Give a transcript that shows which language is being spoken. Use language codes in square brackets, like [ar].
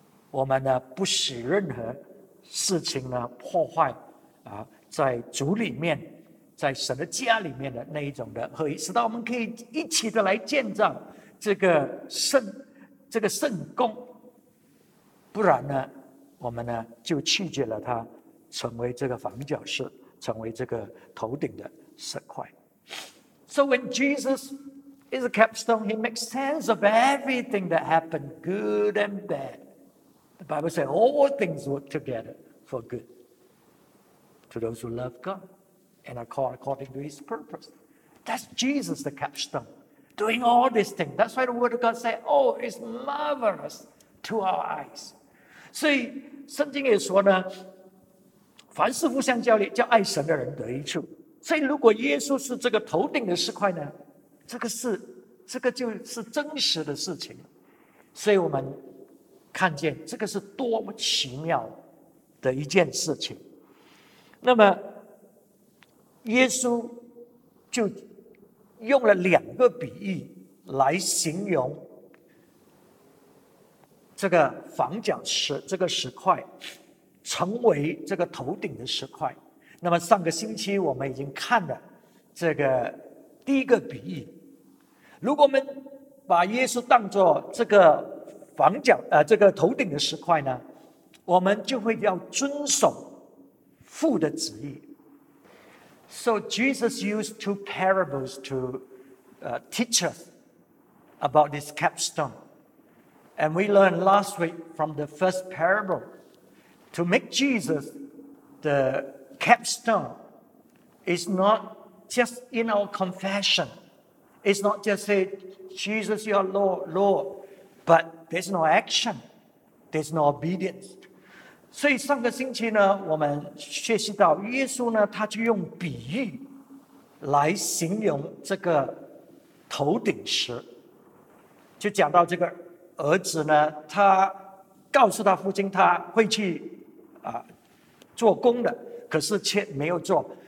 [zh] 我们呢不使任何事情呢破坏啊，在主里面，在神的家里面的那一种的合一，使到我们可以一起的来建造这个圣，这个圣宫。不然呢，我们呢就拒绝了他，成为这个房角石，成为这个头顶的石块。 [en] So when Jesus is a capstone, he makes sense of everything that happened, good and bad. The Bible says all things work together for good to those who love God and are called according to his purpose. That's Jesus, the capstone, doing all these things. That's why the word of God says, oh, it's marvelous to our eyes. [zh] 所以圣经也说呢，凡是互相交力，叫爱神的人得益处。所以如果耶稣是这个头顶的石块呢，这个是，这个就是真实的事情。所以我们看见这个是多么奇妙的一件事情。那么耶稣就用了两个比喻来形容这个房角石，这个石块成为这个头顶的石块。那么上个星期我们已经看了这个第一个比喻，如果我们把耶稣当作这个房角这个头顶的石块呢，我们就会要遵守父的旨意。 [en] So Jesus used two parables to teach us about this capstone. And we learned last week from the first parable, to make Jesus the capstone is not just in our confession. It's not just say, Jesus, you are Lord, Lord. But there's no action. There's no obedience. [zh] 所以上个星期呢，我们学习到耶稣呢，他就用比喻来形容这个头顶石，就讲到这个儿子呢，他告诉他父亲他会去做工的，可是却没有做。